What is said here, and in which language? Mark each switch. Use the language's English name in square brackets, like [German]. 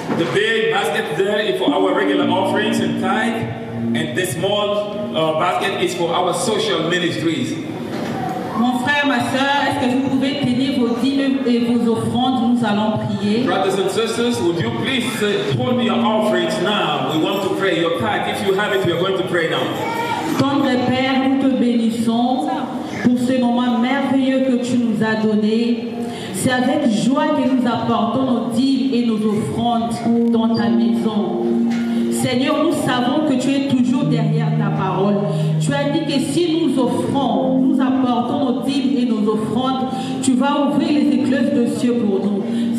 [English] The big basket there is for our regular offerings and tithe, and the small basket is for our social ministries. [French] Mon frère, ma sœur, est-ce que vous pouvez tenir vos dîmes et vos offrandes? Nous allons prier. [English] Brothers and sisters, would you please hold your offerings now? We want to pray. Your tithe, if you have it, we are going to pray now. [French] Tendre Père, nous te bénissons pour ce moment merveilleux que tu nous as donné. C'est avec joie que nous apportons nos dîmes et nos offrandes dans ta maison. Seigneur, nous savons que tu es toujours derrière ta parole. Tu as dit que si nous offrons, nous apportons nos dîmes et nos offrandes, tu vas ouvrir les écluses de cieux pour nous.